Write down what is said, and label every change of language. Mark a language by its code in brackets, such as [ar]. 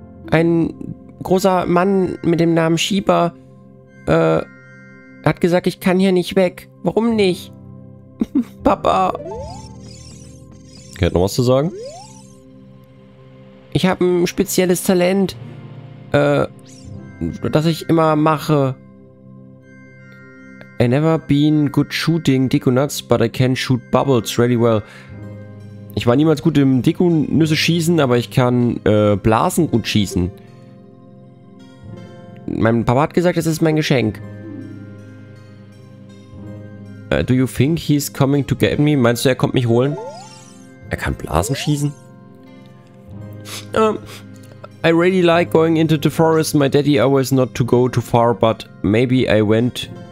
[de] Ein großer Mann mit dem Namen Shiba hat gesagt, ich kann hier nicht weg. Warum nicht? Papa. Hat noch was zu sagen? Ich habe ein spezielles Talent, das ich immer mache. [en] I never been good shooting Deku-Nuts, but I can shoot bubbles really well. [de] Ich war niemals gut im Deku-Nüsse schießen, aber ich kann Blasen gut schießen. Mein Papa hat gesagt, das ist mein Geschenk. [en] Do you think he's coming to get me? [de] Meinst du, er kommt mich holen? Er kann Blasen schießen? [en] I really like going into the forest. My daddy always not to go too far, but maybe I went